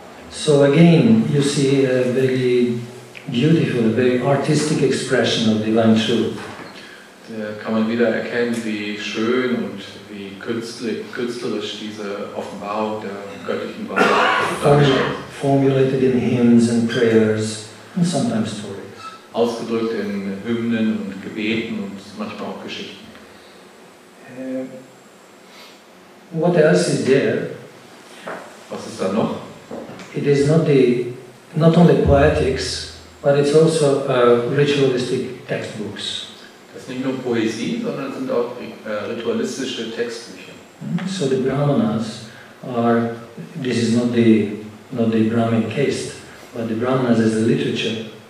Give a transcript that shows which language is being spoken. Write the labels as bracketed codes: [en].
[en] So again, you see a very beautiful, a very artistic expression of divine truth. [de] Da kann man wieder erkennen, wie schön und wie künstlerisch diese Offenbarung der göttlichen Wahrheit ist. [en] Formulated in hymns and prayers and sometimes stories. [de] Ausgedrückt in Hymnen und Gebeten und manchmal auch Geschichten. [en] What else is there? [de] Was ist da noch? [en] It is not the not only poetics, but it's also ritualistic textbooks. [de] Das ist nicht nur Poesie, sondern sind auch ritualistische Textbücher. [en] So the Brahmanas are. This is not the Brahmin caste, but the Brahmanas is the literature.